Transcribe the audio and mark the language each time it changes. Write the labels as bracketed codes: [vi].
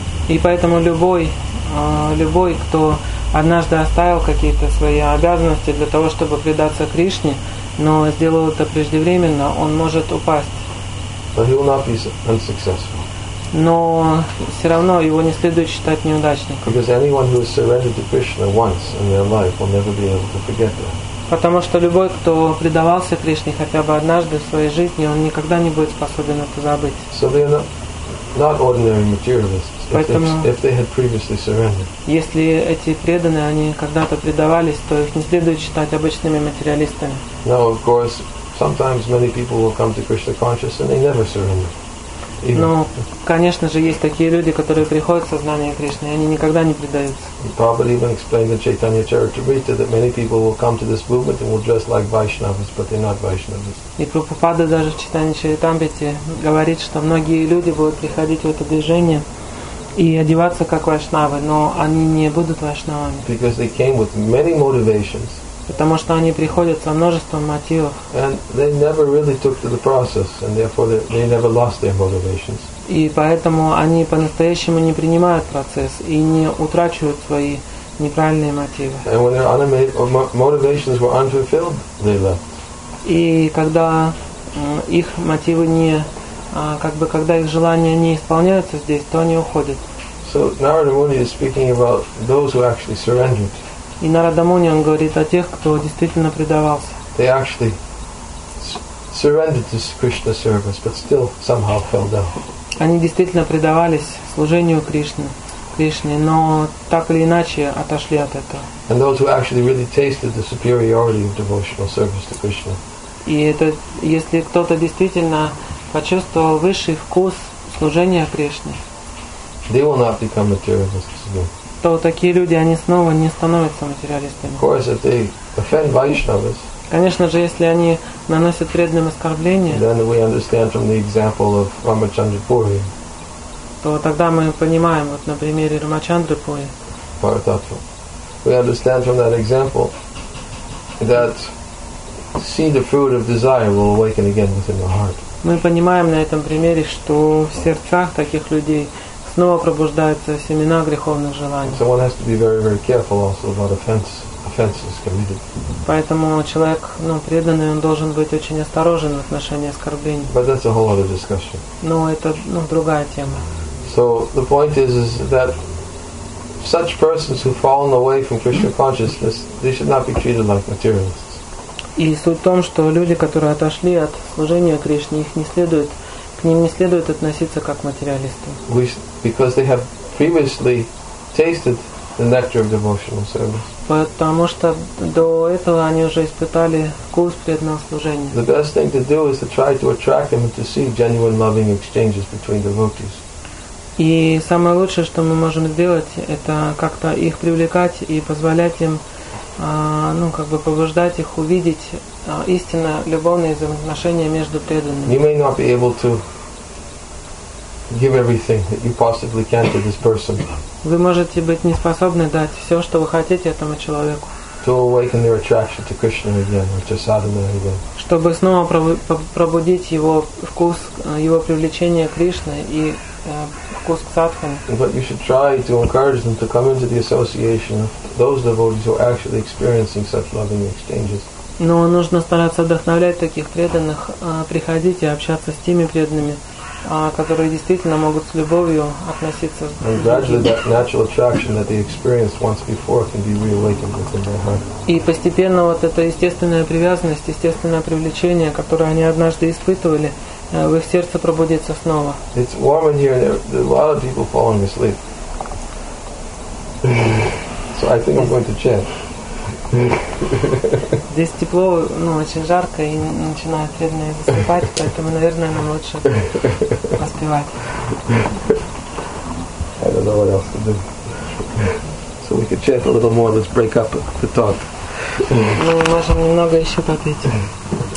[ru] И поэтому любой, кто однажды оставил какие-то свои обязанности для того, чтобы предаться Кришне, но сделал это преждевременно, он может упасть. [en] But he will not be unsuccessful. [ru] Но все равно его не следует считать неудачником. [en] Because anyone who has surrendered to Krishna once in their life will never be able to forget that. [ru] Потому что любой, кто предавался Кришне хотя бы однажды в своей жизни, он никогда не будет способен это забыть. [en] So they are not ordinary materialists. [ru] Поэтому, [en] if they had previously surrendered. [ru] Если эти преданные, они когда-то предавались, то их не следует считать обычными материалистами. [en] Now, of course, sometimes many people will come to Krishna consciousness and they never surrender. [ru] Но, конечно же, есть такие люди, которые приходят в сознание Кришны, и они никогда не предаются. [en] Prabhupada even explained in Chaitanya Charitamrita that many people will come to this movement and will dress like Vaishnavas, but they're not Vaishnavas. [ru] И Прабхупада даже в Чайтанья Чаритамрите говорит, что многие люди будут приходить в это движение и одеваться как вайшнавы, но они не будут вайшнавами. [en] Because they came with many motivations. [ru] Потому что они приходят со множеством мотивов. [en] And they never really took to the process, and therefore they never lost their motivations. [ru] И поэтому они по-настоящему не принимают процесс и не утрачивают свои неправильные мотивы. [en] And when their motivations were unfulfilled, they left. [ru] И когда их мотивы не, как бы, когда их желания не исполняются здесь, то они уходят. [en] So Narada Muni is speaking about those who actually surrendered. [ru] И Нарада Муни, он говорит о тех, кто действительно предавался. [en] They actually surrendered to Krishna service, but still somehow fell down. [ru] Они действительно предавались служению Кришне, но так или иначе отошли от этого. [en] And those who actually really tasted the superiority of devotional service to Krishna. [ru] И это, если кто-то действительно почувствовал высший вкус служения Кришне, [en] they will not become materialists again. [ru] То такие люди, они снова не становятся материалистами. [en] Of course, if they offend Vaishnavas, [ru] конечно же, если они наносят вредным оскорбления, [en] then we understand from the example of Ramachandra Puri, [ru] то тогда мы понимаем, вот на примере Рамачандры Пури, [en] Парататва, we understand from that example that see the fruit of desire will awaken again within the heart. [ru] Мы понимаем на этом примере, что в сердцах таких людей снова пробуждаются семена греховных желаний. [en] So one has to be very, very careful also about offenses committed. [ru] Поэтому человек, ну, преданный, он должен быть очень осторожен в отношении оскорблений. [en] But that's a whole other discussion. [ru] Но это, ну, другая тема. [en] So the point is that such persons who've fallen away from Krishna consciousness, they should not be treated like materialists. [ru] И суть в том, что люди, которые отошли от служения Кришне, их не следует, к ним не следует относиться как к материалистам. [en] Because they have previously tasted the nectar of devotional service. [ru] Потому что до этого они уже испытали вкус преданного служения. [en] The best thing to do is to try to attract them and to see genuine loving exchanges between devotees. [ru] И самое лучшее, что мы можем сделать, это как-то их привлекать и позволять им, ну, как бы побуждать их увидеть истинно любовные взаимоотношения между преданными. [en] You may not be able to give everything that you possibly can to this person. [ru] Вы можете быть не способны дать все, что вы хотите этому человеку. [en] To awaken their attraction to Krishna again, or to sadhana again. [ru] Чтобы снова пробудить его вкус, его привлечение к Кришне и вкус к садхане. [en] But you should try to encourage them to come into the association of those devotees who are actually experiencing such loving exchanges. [ru] Но нужно стараться вдохновлять таких преданных приходить и общаться с теми преданными, которые действительно могут с любовью относиться. [en] And gradually that natural attraction that they experienced once before can be reawakened within their heart. [ru] И постепенно вот эта естественная привязанность, естественное привлечение, которое они однажды испытывали, в их сердце пробудится снова. [en] It's warm in here. There are a lot of people falling asleep. So I think I'm going to chant. [ru] Здесь тепло, ну, очень жарко, и начинают бедные засыпать, поэтому, наверное, нам лучше поспевать. [en] I don't know what else to do. So we could chant a little more, let's break up the talk. [ru] Ну, мы можем немного еще попить.